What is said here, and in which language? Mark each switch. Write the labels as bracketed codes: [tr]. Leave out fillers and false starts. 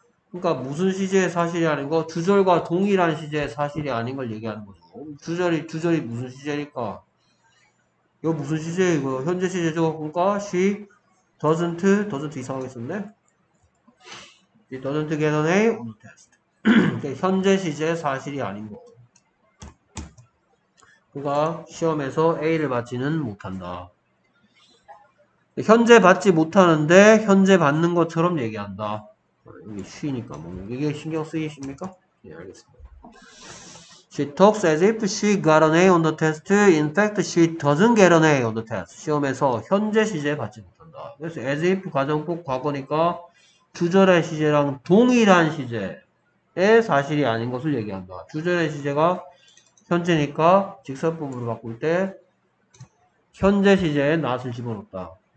[ko] 그러니까 무슨 시제의 사실이 아닌 거 주절과 동일한 시제의 사실이 아닌 걸 얘기하는 거죠. 주절이 무슨 시제니까. 이거 무슨 시제예요? 이거 현재 시제죠. 그러니까 [en] she doesn't [ko] 이상하게 썼네. [en] It doesn't get an A on the test. [ko] 현재 시제 사실이 아닌 거. 그가 시험에서 A를 받지는 못한다. 현재 받지 못하는데 현재 받는 것처럼 얘기한다. 이게 쉬니까 뭐 이게 신경 쓰이십니까? 예, 알겠습니다. [en] She talks as if she got an A on the test. In fact, she doesn't get an A on the test. [ko] 시험에서 현재 시제 받지 못한다. 그래서 as if 과정법 과거니까 주절의 시제랑 동일한 시제의 사실이 아닌 것을 얘기한다. 주절의 시제가 현재니까 직설법으로 바꿀 때 현재 시제에 not을 집어넣었다.